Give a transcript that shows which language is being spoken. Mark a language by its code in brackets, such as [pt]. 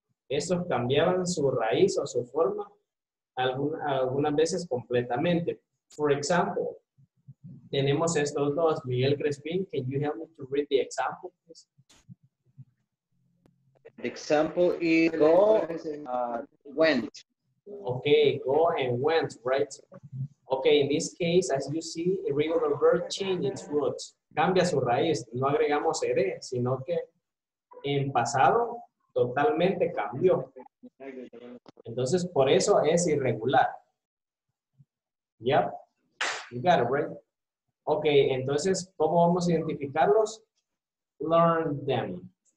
[es] Estos cambiaban su raíz o su forma algunas veces completamente. [en] For example, [es] tenemos estos dos. [en] Miguel Crespin, can you help me to read the example, please? The example is go and went. Okay, go and went, right? Okay, in this case, as you see, irregular verb change its root. [es] Cambia su raíz. No agregamos ed, sino que en pasado totalmente cambió. Entonces, por eso es irregular. [en] Yep, you got it, right? [es] Ok, entonces, ¿cómo vamos a identificarlos? [en] Learn them.